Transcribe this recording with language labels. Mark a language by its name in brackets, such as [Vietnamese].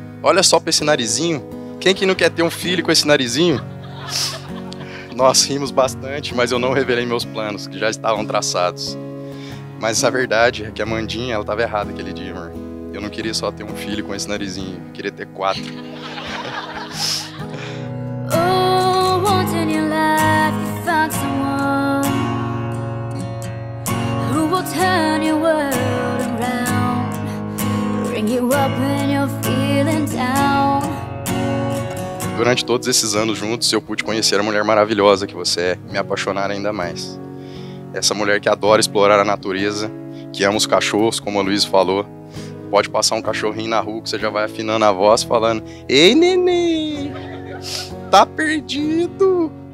[Portuguese] Olha só pra esse narizinho. Quem que não quer ter um filho com esse narizinho?" Nós rimos bastante, mas eu não revelei meus planos, que já estavam traçados. Mas a verdade é que a Mandinha, ela tava errada aquele dia, amor. Eu não queria só ter um filho com esse narizinho, eu queria ter quatro. [English] Oh, once in your life you find someone who will turn your world around, bring you up when you're feeling down. [Portuguese] Durante todos esses anos juntos, eu pude conhecer a mulher maravilhosa que você é e me apaixonar ainda mais. Essa mulher que adora explorar a natureza, que ama os cachorros, como a Luísa falou. Pode passar um cachorrinho na rua que você já vai afinando a voz falando: "Ei, neném, tá perdido."